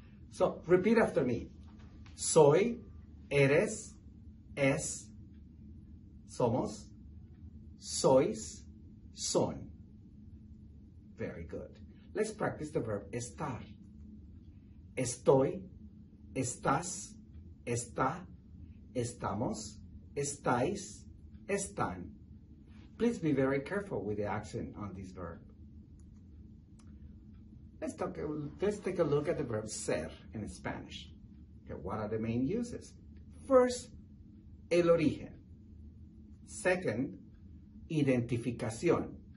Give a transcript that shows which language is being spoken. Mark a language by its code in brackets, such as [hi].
[en] So repeat after me. [es] Soy, eres, es, somos, sois, son. [en] Very good. Let's practice the verb estar. [es] Estoy, estás, está, estamos, estáis, están. [en] Please be very careful with the accent on this verb. Let's take a look at the verb ser in Spanish. Okay, what are the main uses? First, el origen. Second, identificación.